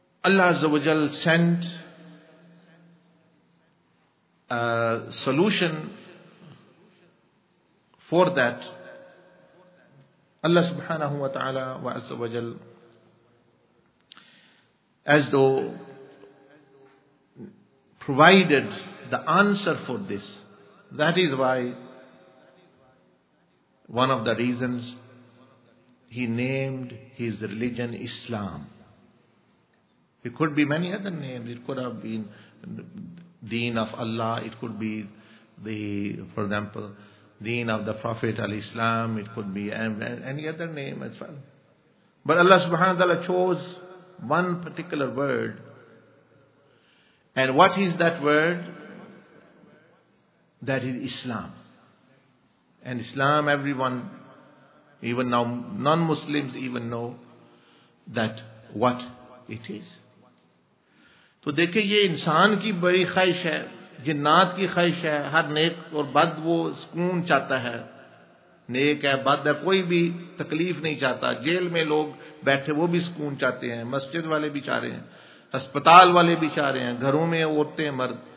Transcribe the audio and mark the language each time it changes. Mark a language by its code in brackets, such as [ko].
[en] اللہ عز و جل send solution for that. Allah سبحانہ و تعالی و عز و جل is though provided the answer for this. That is why one of the reasons he named his religion Islam. It could be many other names. It could have been Deen of Allah. It could be the, for example, Deen of the Prophet al-Islam. It could be any other name as well. But Allah subhanahu wa ta'ala chose one particular word. And what is that word? That is Islam. And Islam, everyone, even now non-Muslims even know that what it is. [ur] تو دیکھیں یہ انسان کی بڑی خواہش ہے, جنات کی خواہش ہے, ہر نیک اور بد وہ سکون چاہتا ہے, نیک ہے بد ہے کوئی بھی تکلیف نہیں چاہتا. جیل میں لوگ بیٹھے وہ بھی سکون چاہتے ہیں, مسجد والے بھی چاہ رہے ہیں, اسپتال والے بھی چاہ رہے ہیں, گھروں میں عورتیں مرد.